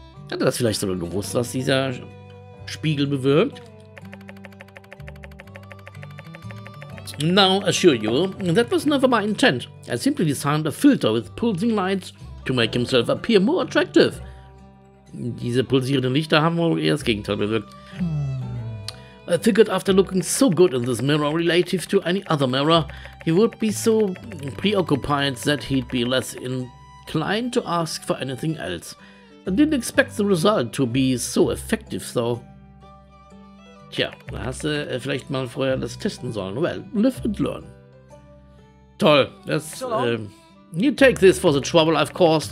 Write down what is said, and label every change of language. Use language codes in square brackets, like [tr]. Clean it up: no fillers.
[de] Hat er das vielleicht sogar gewusst, was dieser Spiegel bewirkt? [en] Now, assure you, that was never my intent. I simply designed a filter with pulsing lights to make himself appear more attractive. [de] Diese pulsierenden Lichter haben wohl eher das Gegenteil bewirkt. [en] I figured after looking so good in this mirror relative to any other mirror, he would be so preoccupied that he'd be less inclined to ask for anything else. I didn't expect the result to be so effective, though. [de] Tja, da hast du vielleicht mal vorher das testen sollen. [en] Well, live and learn. [de] Toll, das... [en] You take this for the trouble I've caused.